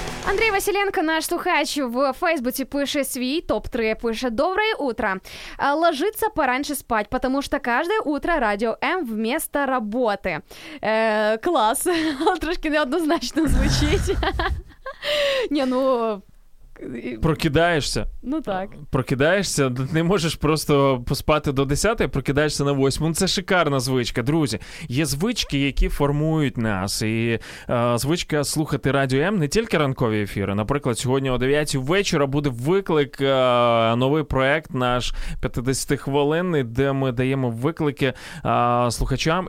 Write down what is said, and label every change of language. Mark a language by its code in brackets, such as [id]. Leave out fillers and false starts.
[uk] Андрій Василенко, наш слухач в Фейсбуці, пише свій топ-3, пише [ru] «Доброе утро! Ложиться пораньше спать, потому что каждое утро радио М вместо работы». Клас! [uk] Трошки неоднозначно звучить. Не, ну... Прокидаєшся? Ну так. Прокидаєшся? Не можеш просто поспати до 10-ї, прокидаєшся на 8-му. Це шикарна звичка. Друзі, є звички, які формують нас. І звичка слухати Радіо М не тільки ранкові ефіри. Наприклад, сьогодні о 9-й вечора буде виклик, новий проект наш 50-хвилинний, де ми даємо виклики слухачам.